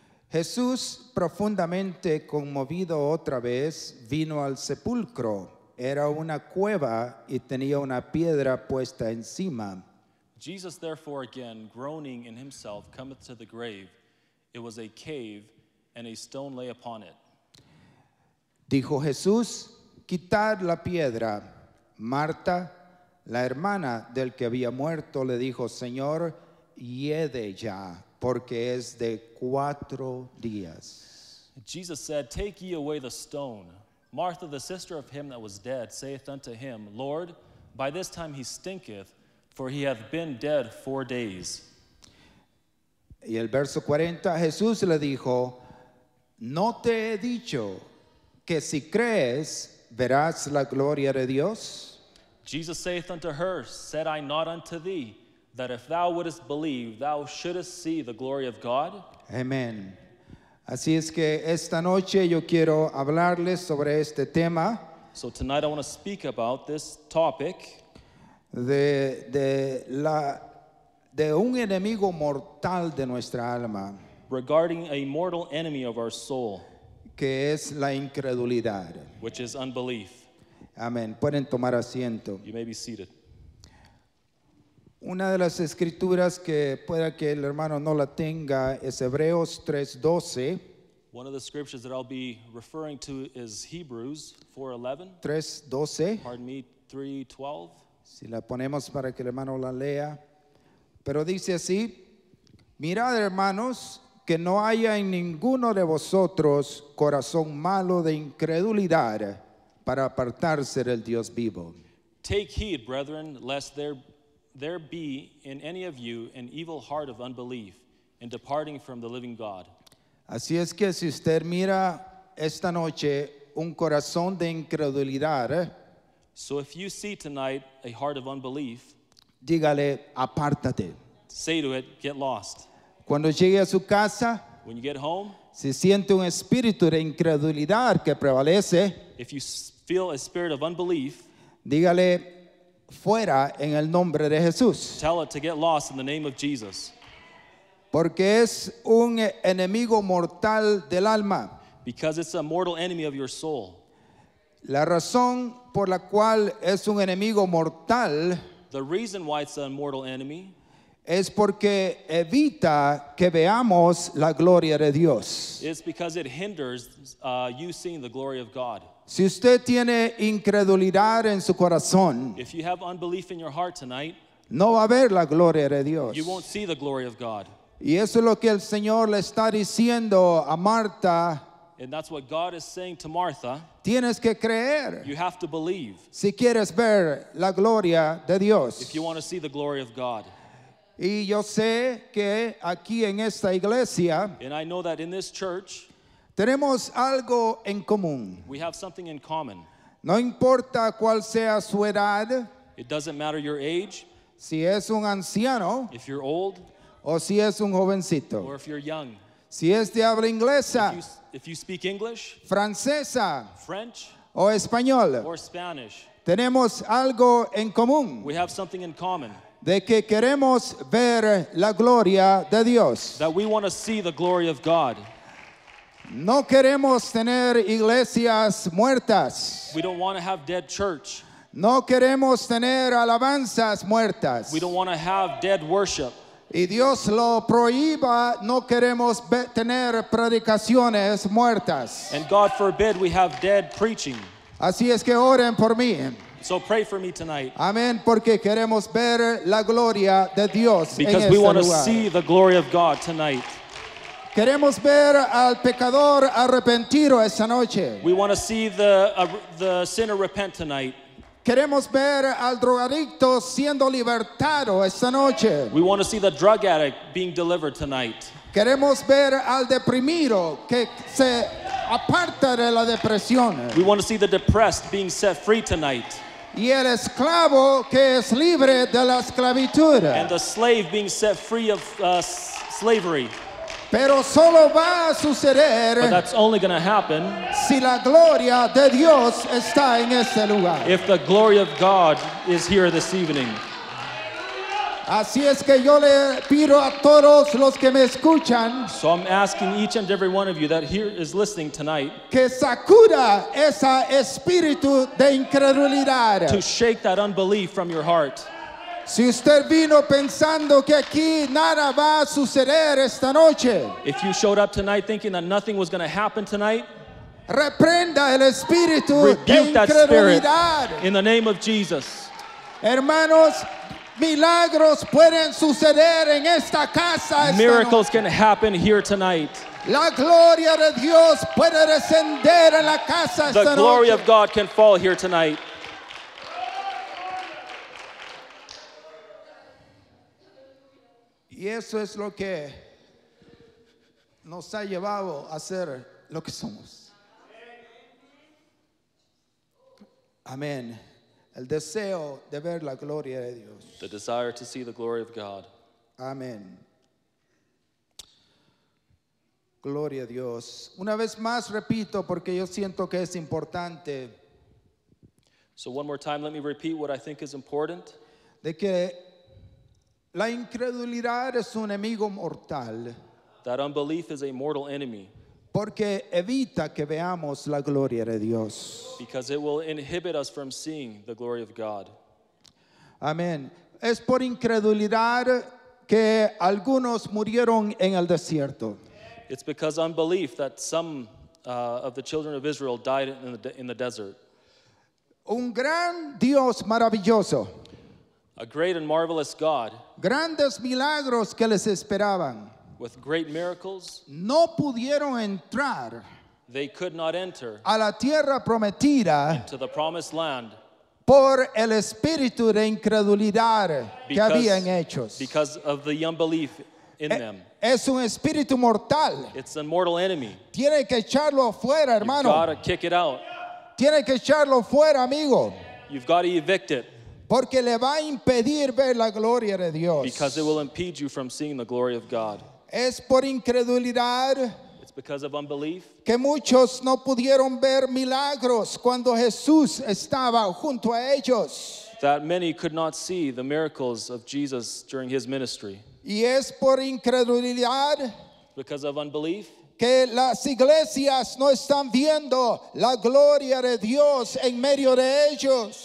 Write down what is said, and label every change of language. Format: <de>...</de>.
<es>Jesús, profundamente conmovido otra vez, vino al sepulcro. Era una cueva y tenía una piedra puesta encima.</es> <en>Jesus, therefore, again, groaning in himself, cometh to the grave. It was a cave, and a stone lay upon it.</en> <es>Dijo Jesús, quitad la piedra. Marta, la hermana del que había muerto, le dijo, Señor, hiede ya, porque es de 4 días.</es> <en>Jesus said, take ye away the stone. Martha, the sister of him that was dead, saith unto him, Lord, by this time he stinketh, for he hath been dead 4 days.</en> <es>Y el verso 40, Jesús le dijo, ¿no te he dicho que si crees, verás la gloria de Dios?</es> <en>Jesus saith unto her, said I not unto thee, that if thou wouldest believe, thou shouldest see the glory of God? Amen.</en> <es>Así es que esta noche yo quiero hablarles sobre este tema.</es> <en>So tonight I want to speak about this topic.</en> <es>De un enemigo mortal de nuestra alma.</es> <en>Regarding a mortal enemy of our soul,</en> <es>que es la incredulidad,</es> <en>which is unbelief.</en> <es>Amén. Pueden tomar asiento.</es> <en>You may be seated.</en> <es>Una de las escrituras que pueda que el hermano no la tenga es Hebreos 3:12.</es> <en>One of the scriptures that I'll be referring to is Hebrews 4:11.</en> <es>3:12.</es> <en>Pardon me, 3:12.</en> <es>Si la ponemos para que el hermano la lea. Pero dice así, mirad hermanos, que no haya en ninguno de vosotros corazón malo de incredulidad para apartarse del Dios vivo.</es> <en>Take heed, brethren, lest there be in any of you an evil heart of unbelief in departing from the living God.</en> <es>Así es que si usted mira esta noche un corazón de incredulidad.</es> <en>So if you see tonight a heart of unbelief,</en> <es>dígale, apártate.</es> <en>Say to it, get lost.</en> <es>Cuando llegue a su casa,</es> <en>when you get home,</en> <es>si siente un espíritu de incredulidad que prevalece,</es> <en>if you feel a spirit of unbelief,</en> <es>dígale, fuera en el nombre de Jesús.</es> <en>Tell it to get lost in the name of Jesus.</en> <es>Porque es un enemigo mortal del alma.</es> <en>Because it's a mortal enemy of your soul.</en> <es>La razón por la cual es un enemigo mortal,</es> <en>the reason why it's an mortal enemy,</en> <es>es porque evita que veamos la gloria de Dios.</es> <en>It's because it hinders you seeing the glory of God.</en> <es>Si usted tiene incredulidad en su corazón,</es> <en>if you have unbelief in your heart tonight,</en> <es>no va a ver la gloria de Dios.</es> <en>You won't see the glory of God.</en> <es>Y eso es lo que el Señor le está diciendo a Marta.</es> <en>And that's what God is saying to Martha.</en> <es>Tienes que creer.</es> <en>You have to believe.</en> <es>Si quieres ver la gloria de Dios.</es> <en>If you want to see the glory of God.</en> <es>Y yo sé que aquí en esta iglesia,</es> <en>and I know that in this church,</en> <es>tenemos algo en común.</es> <en>We have something in common.</en> <es>No importa cuál sea su edad.</es> <en>It doesn't matter your age.</en> <es>Si es un anciano.</es> <en>If you're old.</en> <es>O si es un jovencito.</es> <en>Or if you're young.</en> <es>Si es de habla inglesa.</es> <en>If you speak English.</en> <es>Francesa.</es> <en>French.</en> <es>O español.</es> <en>Or Spanish.</en> <es>Tenemos algo en común.</es> <en>We have something in common.</en> <es>De que queremos ver la gloria de Dios.</es> <en>That we want to see the glory of God.</en> <es>No queremos tener iglesias muertas.</es> <en>We don't want to have dead church.</en> <es>No queremos tener alabanzas muertas.</es> <en>We don't want to have dead worship.</en> <es>Y Dios lo prohíba, no queremos tener predicaciones muertas.</es> <en>And God forbid we have dead preaching.</en> <es>Así es que oren por mí.</es> <en>So pray for me tonight.</en> <es>Amén, porque queremos ver la gloria de Dios en este lugar.</es> <en>Because we want to see the glory of God tonight.</en> <es>Queremos ver al pecador arrepentido esta noche.</es> <en>We want to see the sinner repent tonight.</en> <es>Queremos ver al drogadicto siendo libertado esta noche.</es> <en>We want to see the drug addict being delivered tonight.</en> <es>Queremos ver al deprimido que se aparta de la depresión.</es> <en>We want to see the depressed being set free tonight.</en> <es>Y el esclavo que es libre de la esclavitud.</es> <en>And the slave being set free of slavery.</en> <es>Pero solo va a suceder,</es> <en>but that's only going to happen,</en> <es>si la gloria de Dios está en este lugar.</es> <en>If the glory of God is here this evening.</en> <es>Así es que yo le pido a todos los que me escuchan,</es> <en>so I'm asking each and every one of you that here is listening tonight,</en> <es>que sacuda ese espíritu de incredulidad,</es> <en>to shake that unbelief from your heart.</en> <es>Si usted vino pensando que aquí nada va a suceder esta noche,</es> <en>if you showed up tonight thinking that nothing was going to happen tonight,</en> <es>reprenda el espíritu de incredulidad.</es> <en>In the name of Jesus.</en> <es>Hermanos, milagros pueden suceder en esta casa esta</es> <en>miracles</en> <es>noche.</es> <en>Can happen here tonight.</en> <es>La gloria de Dios puede descender en la casa</es> <en>the</en> <es>esta</es> <en>glory</en> <es>noche.</es> <en>Of God can fall here tonight.</en> <es>Y eso es lo que nos ha llevado a ser lo que somos. Amén. El deseo de ver la gloria de Dios.</es> <en>The desire to see the glory of God.</en> <es>Amén. Gloria a Dios. Una vez más repito porque yo siento que es importante.</es> <en>So one more time, let me repeat what I think is important.</en> <es>De que la incredulidad es un enemigo mortal.</es> <en>That unbelief is a mortal enemy.</en> <es>Porque evita que veamos la gloria de Dios.</es> <en>Because it will inhibit us from seeing the glory of God.</en> <es>Amén. Es por incredulidad que algunos murieron en el desierto.</es> <en>It's because unbelief that some of the children of Israel died in the desert.</en> <es>Un gran Dios maravilloso.</es> <en>A great and marvelous God.</en> <es>Grandes milagros que les esperaban.</es> <en>With great miracles.</en> <es>No pudieron entrar.</es> <en>They could not enter.</en> <es>A la tierra prometida.</es> <en>Into the promised land.</en> <es>Por el espíritu de incredulidad que habían hechos.</es> <en>Because of the unbelief in them.</en> <es>Es un espíritu mortal.</es> <en>It's a mortal enemy.</en> <es>Tiene que echarlo fuera, hermano.</es> <en>You've got to kick it out.</en> <es>Tiene que echarlo fuera, amigo.</es> <en>You've got to evict it.</en> <es>Porque le va a impedir ver la gloria de Dios.</es> <en>Because it will impede you from seeing the glory of God.</en> <es>Es por incredulidad.</es> <en>It's because of unbelief.</en> <es>Que muchos no pudieron ver milagros cuando Jesús estaba junto a ellos.</es> <en>That many could not see the miracles of Jesus during his ministry.</en> <es>Y es por incredulidad.</es> <en>Because of unbelief.</en> <es>Que las iglesias no están viendo la gloria de Dios en medio de ellos.</es>